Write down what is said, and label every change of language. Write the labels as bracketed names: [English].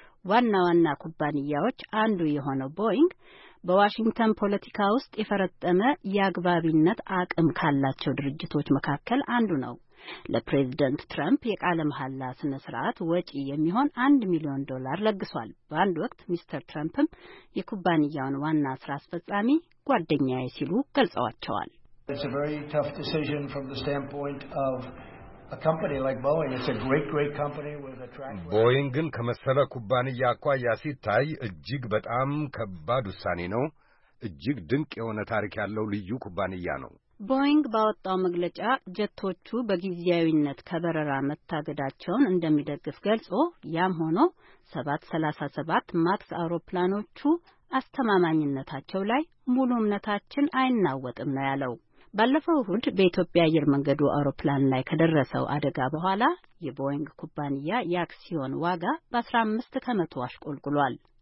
[Amharic] ዋና ዋና ኩባንያዎች አንዱ የሆነው ቦይንግ በዋሽንግተን ፖለቲካ ውስጥ የፈረጠመ የአግባቢነት አቅም ካላቸው ድርጅቶች መካከል አንዱ ነው። ለፕሬዝደንት ትራምፕ የቃለ መሐላ ስነ ስርዓት ወጪ የሚሆን $1 ሚሊዮን ለግሷል። በአንድ ወቅት ሚስተር ትራምፕም የኩባንያውን ዋና ስራ አስፈጻሚ ጓደኛዬ ሲሉ ገልጸዋቸዋል። [English] It's a very tough decision from the standpoint of a company like Boeing. It's a great, great company with a track record. [Amharic] Boeing ግን ከመሰለ ኩባንያ አኳያ ሲታይ እጅግ በጣም ከባድ ውሳኔ ነው። እጅግ ድንቅ የሆነ ታሪክ ያለው ልዩ ኩባንያ ነው። ቦይንግ ባወጣው መግለጫ ጀቶቹ በጊዜያዊነት ከበረራ መታገዳቸውን እንደሚደግፍ ገልጾ ያም ሆኖ 737 ማክስ አውሮፕላኖቹ አስተማማኝነታቸው ላይ ሙሉ እምነታችን አይናወጥም ነው ያለው። ባለፈው እሁድ በኢትዮጵያ አየር መንገዱ አውሮፕላን ላይ ከደረሰው አደጋ በኋላ የቦይንግ ኩባንያ የአክሲዮን ዋጋ በ15% አሽቆልቁሏል።